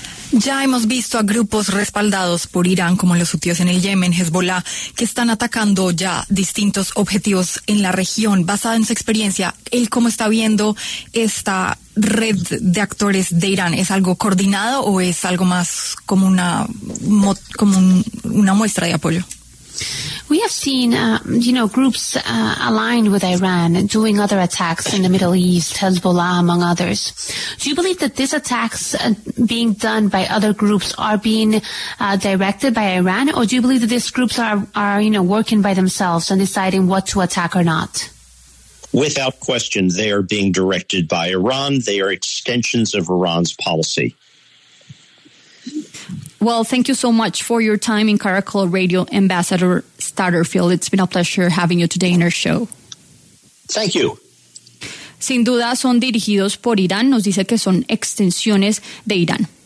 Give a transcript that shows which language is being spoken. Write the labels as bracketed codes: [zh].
[es] Ya hemos visto a grupos respaldados por Irán, como los hutíes en el Yemen, Hezbollah, que están atacando ya distintos objetivos en la región. Basada en su experiencia, ¿él cómo está viendo esta red de actores de Irán? ¿Es algo coordinado o es algo más como una muestra de apoyo? [en] We have seen, groups aligned with Iran doing other attacks in the Middle East, Hezbollah among others. Do you believe that these attacks being done by other groups are being directed by Iran, or do you believe that these groups are working by themselves and deciding what to attack or not? Without question, they are being directed by Iran. They are extensions of Iran's policy. Well, thank you so much for your time in Caracol Radio, Ambassador Starterfield. It's been a pleasure having you today in our show. Thank you. [es] Sin duda son dirigidos por Irán, nos dice que son extensiones de Irán.